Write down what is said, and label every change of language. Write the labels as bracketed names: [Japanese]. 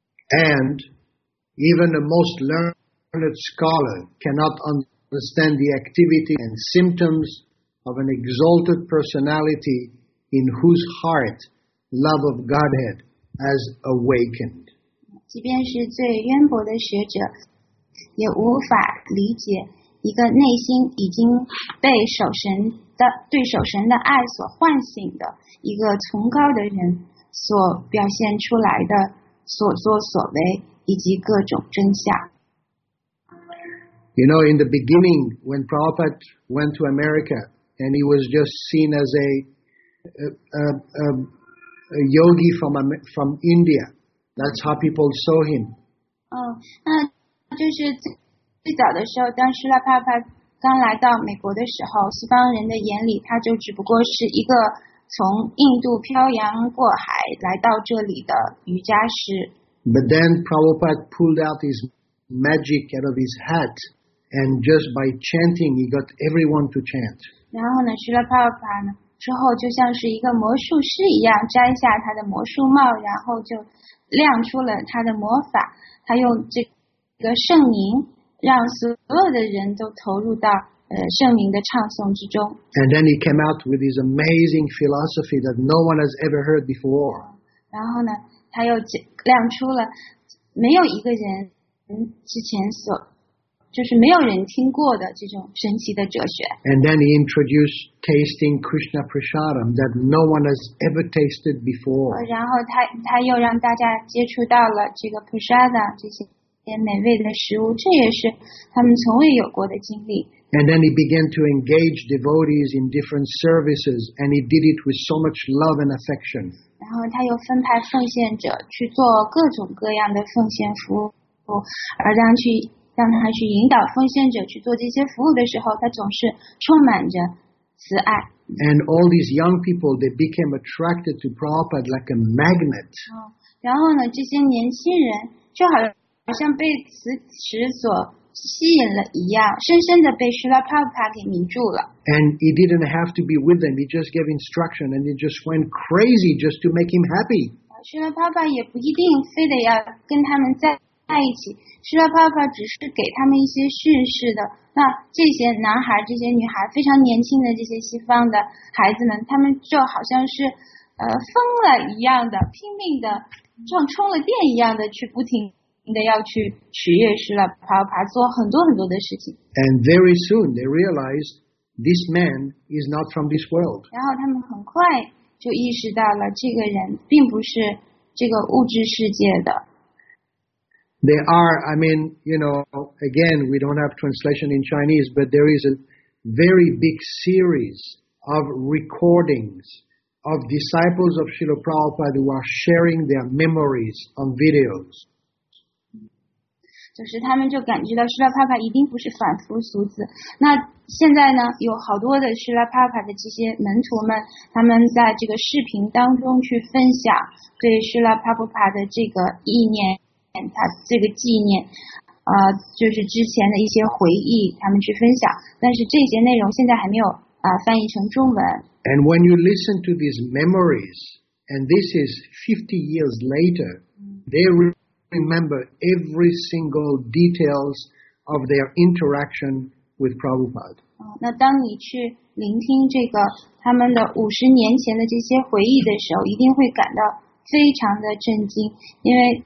[English] And even the most learned scholar cannot understand the activity and symptoms of an exalted personality in whose heart love of Godhead has awakened. [Chinese] 即便是最渊博的学者。也无法理解一个内心已经被守神的对守神的爱所唤醒的一个崇高的人所表现出来的所作所为以及各种真相。 [English] You know, in the beginning, when Prabhupada went to America, and he was just seen as a a yogi from India. That's how people saw him. [Chinese] Oh, 那就是最早的时候，当希拉帕帕刚来到美国的时候，西方人的眼里，他就只不过是一个从印度漂洋过海来到这里的瑜伽师。 [English] But then Prabhupada pulled out his magic out of his hat, and just by chanting, he got everyone to chant. [Chinese] 然后呢，希拉帕帕呢？之后就像是一个魔术师一样摘下他的魔术帽然后就亮出了他的魔法他用这个圣名让所有的人都投入到圣名的唱诵之中 [English] And then he came out with his amazing philosophy that no one has ever heard before [Chinese] 然后呢他又亮出了没有一个人之前所就是没有人听过的这种神奇的哲学。 [English] And then he introduced tasting Krishna Prasadam that no one has ever tasted before. [Chinese] 然后他又让大家接触到了这个 Prasadam 这些美味的食物，这也是他们从未有过的经历。 [English] And then he began to engage devotees in different services, and he did it with so much love and affection. [Chinese] 然后他又分派奉献者去做各种各样的奉献服务，而当去让他去引导奉献者去做这些服务的时候，他总是充满着慈爱。 [English] And all these young people, they became attracted to Prabhupada like a magnet. [Chinese] 然后呢，这些年轻人就好像被磁石所吸引了一样，深深的被 Srila Prabhupada 给迷住了。 [English] And he didn't have to be with them; he just gave instruction, and they just went crazy just to make him happy. [Chinese] Srila Prabhupada 也不一定非得要跟他们在。在一起，希拉帕帕只是给他们一些训示的。那这些男孩、这些女孩，非常年轻的这些西方的孩子们，他们就好像是，疯了一样的，拼命的，像充了电一样的，去不停的要去取悦希拉帕帕，做很多很多的事情。 [English] And very soon they realized this man is not from this world. [Chinese] 然后他们很快就意识到了，这个人并不是这个物质世界的。 [English] There are, I mean, you know, again, we don't have translation in Chinese, but there is a very big series of recordings of disciples of Srila Prabhupada who are sharing their memories on videos. [Chinese] 就是他们就感觉到 Srila Prabhupada 一定不是凡夫俗子。那现在呢，有好多的 Srila Prabhupada 的这些门徒们，他们在这个视频当中去分享对 Srila Prabhupada 的这个意念。他这个纪念，就是之前的一些回忆，他们去分享。但是这些内容现在还没有翻译成中文。 [English] And when you listen to these memories, and this is 50 years later, they remember every single details of their interaction with Prabhupada. [Chinese] 那当你去聆听这个他们的五十年前的这些回忆的时候，一定会感到非常的震惊，因为。